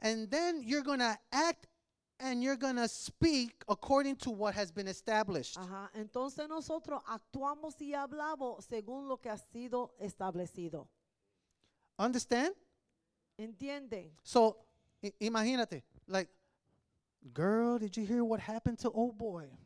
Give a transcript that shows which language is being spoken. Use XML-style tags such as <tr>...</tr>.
<en>And then you're going to act and you're going to speak according to what has been established.</en> <es>Entonces nosotros actuamos y hablamos según lo que ha sido establecido.</es> <en>Understand?</en> <es>Entiende.</es> <en>So,</en> <es>imagínate,</es> <en>like, girl, did you hear what happened to old boy?</en>